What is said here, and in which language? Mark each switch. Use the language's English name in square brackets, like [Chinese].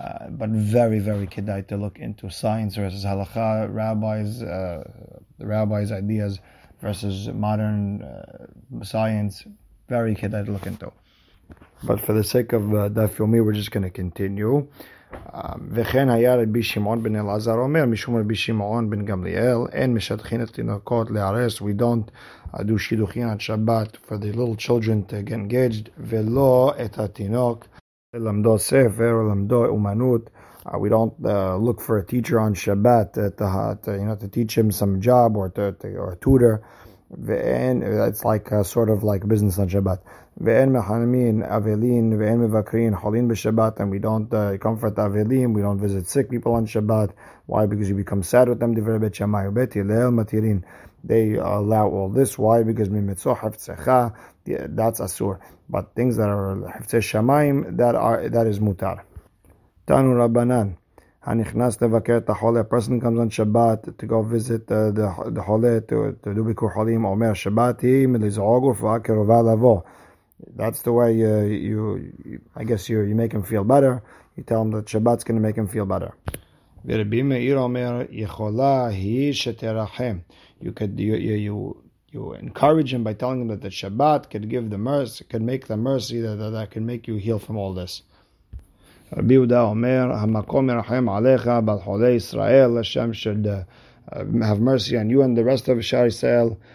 [English] But very, very kedai to look into science versus halakha, rabbis' ideas versus modern science, very kedai to look into. But for the sake of Daf Yomi, we're just going to continue. [Hebrew] וכן היה רבי שמעון בן אלעזר אומר משום רבי שמעון בן גמליאל אין משטחין את תינוקות לארס. [English] We don't do [Hebrew] שידוכין עד שבת [English] for the little children to get engaged, [Hebrew] ולא את התינוק ללמדו ספר ולמדו אומנות. [English] We don't look for a teacher on Shabbat to teach him some job or a tutor. ואין, it's like a sort of like business on Shabbat. [Hebrew] ואין מחממין אבלים ואין מבקרים חולים בשבת. [English] And we don't comfort אבלים. We don't visit sick people on Shabbat. Why? Because you become sad with them. [Hebrew] דברי בית שמאי ובית הלל מתירין. [English] They allow all this. Why? Because [Hebrew] ממצו חפצך. [English] That's אסור. But things that are [Hebrew] חפצי שמיים, [English] that is מותר. [Hebrew] תנו רבנן. הנכנס לבקר את החולה, [English] a person comes on Shabbat to go visit the [Hebrew] חולה, to do ביקור חולים, אומר שבת היא מלזעוג ורפואה קרובה לבוא. [English] That's the way you make him feel better. You tell him that Shabbat's going to make him feel better. [Hebrew] ורבי מאיר אומר, יכולה היא שתרחם. [English] You encourage him by telling him that the Shabbat can give the mercy, can make the mercy that can make you heal from all this. [Hebrew] רבי יהודה אומר, המקום ירחם עליך ועל חולי ישראל, השם [English] should have mercy on you and the rest of [Hebrew] שאר ישראל.